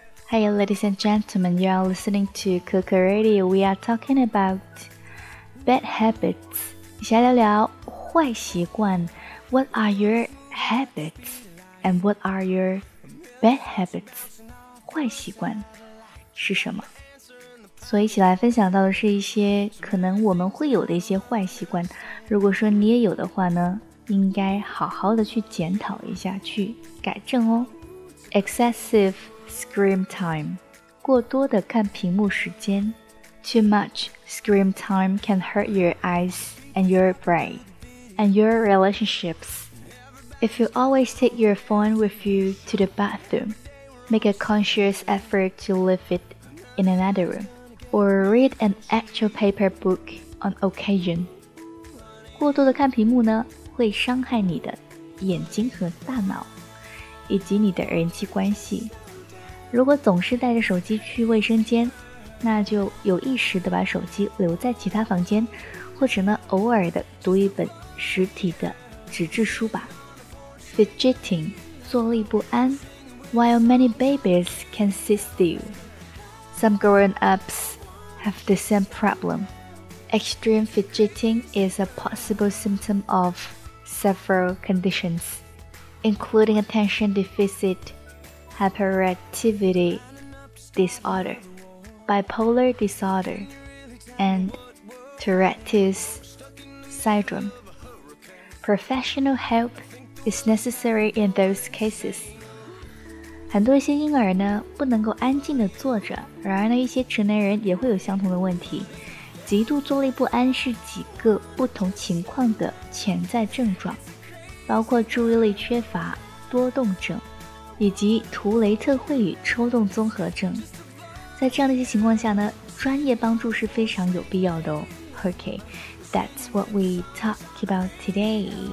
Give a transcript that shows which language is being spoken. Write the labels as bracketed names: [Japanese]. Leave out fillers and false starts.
[English] Hey, ladies and gentlemen, you are listening to Coco Radio. We are talking about bad habits. [Chinese] 想聊聊坏习惯。 [English] What are your habits? And what are your bad habits? [Chinese] 坏习惯是什么？所以一起来分享到的是一些可能我们会有的一些坏习惯。如果说你也有的话呢，应该好好的去检讨一下，去改正哦。 [English] Excessive screen time, [Chinese] 过多的看屏幕时间。 [English] Too much screen time can hurt your eyes and your brain and your relationships. If you always take your phone with you to the bathroom, make a conscious effort to leave it in another room. Or read an actual paper book on occasion. [Chinese] 过多的看屏幕呢，会伤害你的眼睛和大脑，以及你的人际关系。如果总是带着手机去卫生间，那就有意识地把手机留在其他房间，或者呢，偶尔的读一本实体的纸质书吧。 Fidgeting, 坐立不安。 [English] While many babies can sit still. Some grown-ups have the same problem. Extreme fidgeting is a possible symptom of several conditions, including attention deficit, hyperactivity disorder, bipolar disorder, and Tourette's syndrome. Professional help is necessary in those cases. [Chinese] 很多一些婴儿呢不能够安静地坐着，然而呢一些成年人也会有相同的问题。极度坐立不安是几个不同情况的潜在症状，包括注意力缺乏多动症以及图雷特会语抽动综合症。在这样的一些情况下呢，专业帮助是非常有必要的哦。 [English] OK, That's what we talk about today.